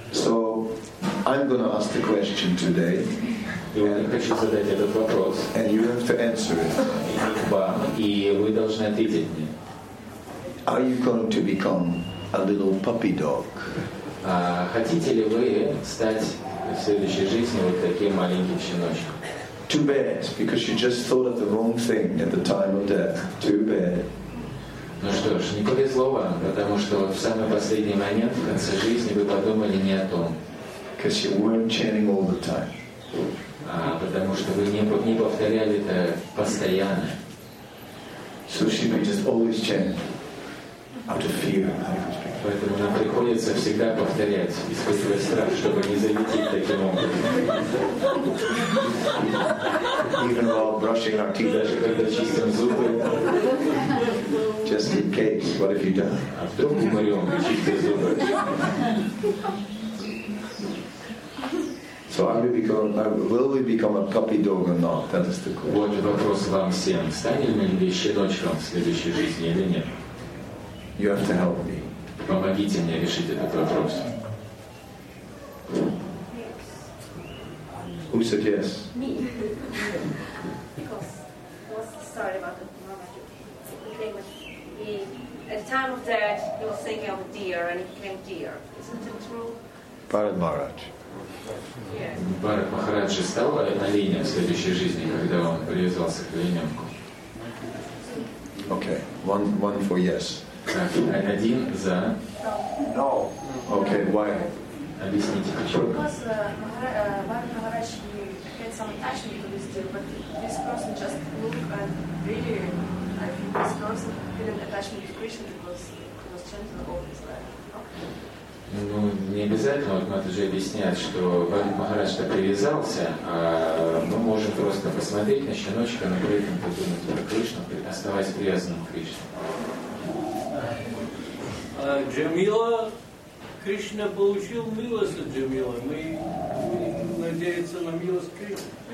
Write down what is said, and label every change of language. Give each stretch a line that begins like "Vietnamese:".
English: So I'm gonna ask the question today.
Russian: И вот я хочу задать этот вопрос.
English: And you have to answer it.
Russian: Вам, и вы должны ответить мне.
English: Are you going to become a little puppy dog?
Russian: Хотите ли вы стать в следующей жизни вот таким маленьким щеночком?
English: Too bad, because you just thought of the wrong thing at the time of death. Too bad.
Russian: Ну что ж, не повезло вам, потому что в самый последний момент в конце жизни вы подумали не о том.
English: Because you weren't chanting all the time.
Russian: Потому что вы не повторяли это постоянно.
English: So should we just always chant out of fear?
Russian: Поэтому нам приходится всегда повторять, испытывая страх, чтобы не залететь таким образом.
English: Even while brushing our teeth,
Russian: даже когда чистим зубы.
English: Just in case, what have you done?
Russian: А вдруг умрем, чистим зубы.
English: So are we become, will we become a puppy dog or not? That is the question.
Russian: Вот вопрос вам всем. Станем ли мы щеночком в следующей жизни или нет?
English: You have to help me.
Russian: Помогите мне решить этот вопрос.
English: Who said yes? Me. Because what's the story about the Mahamudra? At the time of that, he was thinking of a deer and he became deer. Isn't it true? Bharat Maharaj. Yes.
Russian: Bharat Maharaj же стал оленем в следующей жизни, когда он привязался к оленёнку.
English: Okay. One for yes.
Russian: Один за.
English: No. Okay. Why?
Russian: Объясните почему.
English: Because Bharat Maharaj had some attachment to this deer, but this person just looked and really, I think this person didn't attach to Krishna because he was gentle all his life.
Russian: Ну, не обязательно, вот надо же объяснять, что Бхарат Махарадж-то привязался, а мы можем просто посмотреть на щеночка, но при этом подумать про Кришну, оставаясь привязанным к Кришне. Джамила, Кришна получил милость от Джамилы, мы будем надеяться на милость Кришны.